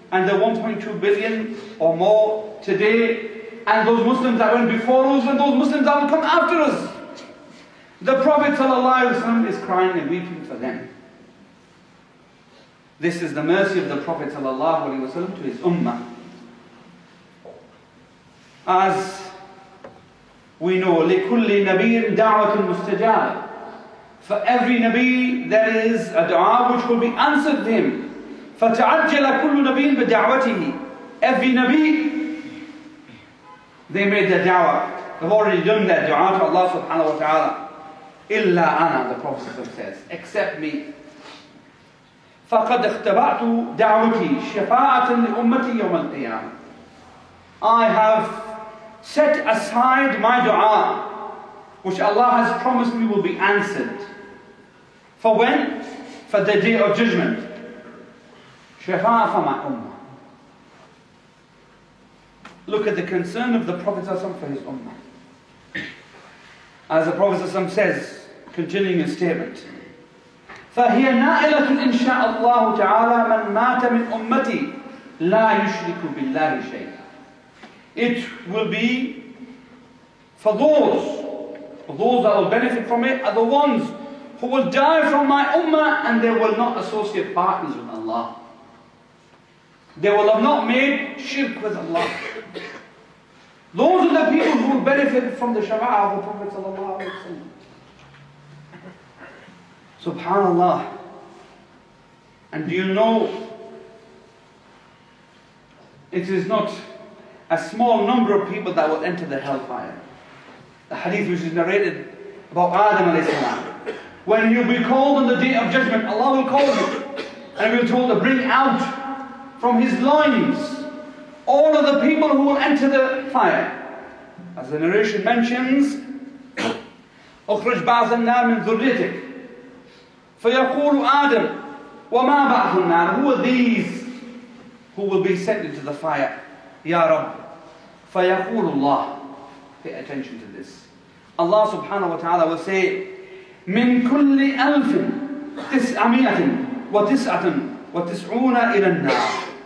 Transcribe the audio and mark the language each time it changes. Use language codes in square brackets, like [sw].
[en] and the 1.2 billion or more today, and those Muslims that went before us, and those Muslims that will come after us. The Prophet ﷺ is crying and weeping for them. This is the mercy of the Prophet ﷺ to his Ummah. As we know, [ar] لِكُلِّ نَبِيٍ دَعْوَةٍ مُسْتَجَابٍ. [en] For every Nabi, there is a dua which will be answered to him. [ar] فَتَعَجَّلَ كُلُّ نَبِيٍ بِدَعْوَتِهِ. [en] Every Nabi, they made their dua. They've already done their dua to Allah subhanahu wa ta'ala. [ar] إِلَّا أَنَا, [en] the Prophet says, except me. [ar] فَقَدْ اخْتَبَعْتُ دَعْوَتِي شَفَاعَةً لِأُمَّتِي يَوْمَ الْقِيَامَةِ. [en] I have set aside my dua, which Allah has promised me will be answered. For when? For the day of judgment. Shafa'a for my ummah. Look at the concern of the Prophet ﷺ for his ummah. As the Prophet ﷺ says, continuing his statement, [ar] فَهِيَ نَائِلَةٌ إِنْ شَاءَ اللَّهُ تَعَالَى مَنْ مَاتَ مِنْ أُمَّتِي لَا يُشْرِكُ بِاللَّهِ شَيْءٍ. [en] It will be for those that will benefit from it are the ones who will die from my ummah and they will not associate partners with Allah. They will have not made shirk with Allah. Those are the people who will benefit from the shafa'ah of the Prophet sallallahu alaihi wasallam. Subhanallah. And do you know, it is not a small number of people that will enter the hellfire. The hadith which is narrated about Adam alayhi salam. When you'll be called on the day of judgment, Allah will call you. And we're told to bring out from his loins all of the people who will enter the fire. As the narration mentions, [ar] أخرج بعث النار من ذريتك. فيقول آدم وما بعث النار. [en] Who are these who will be sent into the fire? Ya Rabb. [ar] فيقول الله. [en] Pay attention to this. Allah subhanahu wa ta'ala will say, [ar] من كل ألف تسعمائة وتسعة وتسعون إلى النار.